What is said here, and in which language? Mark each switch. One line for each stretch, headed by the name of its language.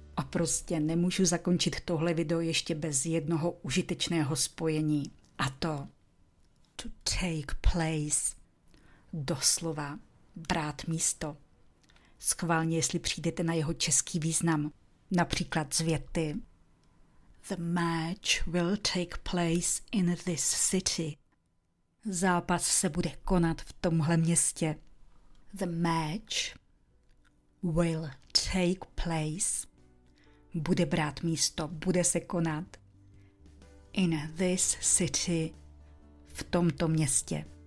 Czech: Prostě nemůžu zakončit tohle video ještě bez jednoho užitečného spojení. A to
English: to take place.
Czech: Doslova brát místo. Schválně, jestli přijdete na jeho český význam. Například z věty.
English: The match will take place in this city.
Czech: Zápas se bude konat v tomhle městě.
English: The match will take place.
Czech: Bude brát místo, bude se konat.
English: In this city,
Czech: v tomto městě.